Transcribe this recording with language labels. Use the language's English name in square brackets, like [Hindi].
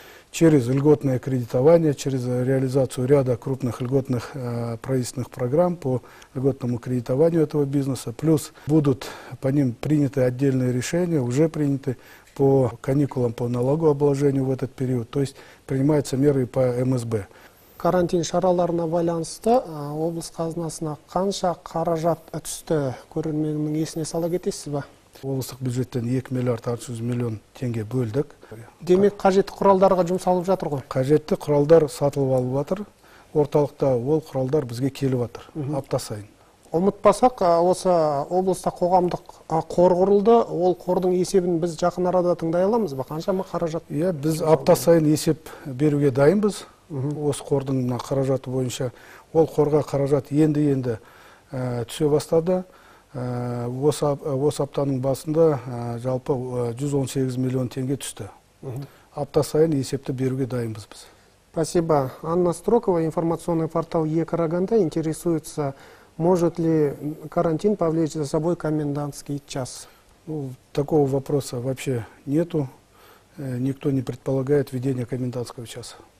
[Russian] Через льготное кредитование, через реализацию ряда крупных льготных правительственных программ по льготному кредитованию этого бизнеса. Плюс будут по ним приняты отдельные решения, уже приняты по каникулам, по налогообложению в этот период. То есть принимаются меры по МСБ. [Kazakh] Карантин шараларына байланысты облыс қазынасына қанша қаражат түсті? Көрерменнің есіне сала кетесіз ба? Облыстық бюджеттен 2 миллиард 600 миллион теңге бөлдік. Демек, қажетті құралдарға жұмсалып жатыр ғой? Қажетті құралдар сатылып алып жатыр. Орталықта ол құралдар бізге келіп жатыр апта сайын. Ұмытпасақ, осы облыста қоғамдық қор құрылды. Ол қордың есебін біз жақын арада тыңдай аламыз ба? Қаншама қаражат? Иә, біз апта сайын есеп беруге дайынбыз. Осы қордың қаражаты бойынша ол қорға қаражат енді-енді түсе бастады. Осы аптаның басында жалпы 118 миллион теңге түсті. Апта сайын есепті беруге дайынбыз біз. [Russian] Спасибо. Анна Строкова, информационный портал Е-Караганда, интересуется, может ли карантин повлечь за собой комендантский час? Такого вопроса вообще нету. Никто не предполагает введение комендантского часа.